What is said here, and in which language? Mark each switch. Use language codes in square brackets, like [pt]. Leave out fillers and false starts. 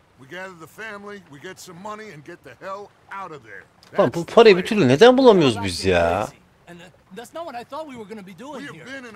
[en] We gather the family, we get some money and get the hell out of there. [tr] Lan bu parayı bir türlü neden bulamıyoruz biz ya? [en] That's not what I thought we were going to be doing here.